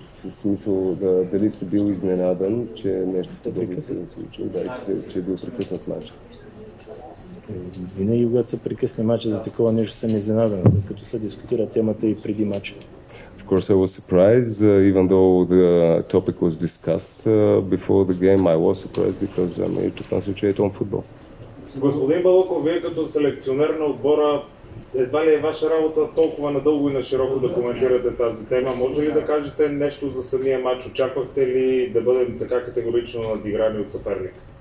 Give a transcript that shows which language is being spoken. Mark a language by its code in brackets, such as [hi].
[bg] В смисъл дали сте бил изненадан, че нещо подобно се е случило, да, че е бил прекъснат матч. Винаги, когато се прекъсне матча, за такова нещо съм изненадан, като се дискутира темата и преди матча. [en] Of course, I was surprised, even though the topic was discussed before the game, I was surprised because I'm here to concentrate on football. [bg] Господин Балоков, вие като селекционер на отбора, едва ли е ваша работа толкова надълго и на широко да коментирате тази тема? Може ли да кажете нещо за самия матч? Очаквахте ли да бъдем така категорично надиграни от съперник?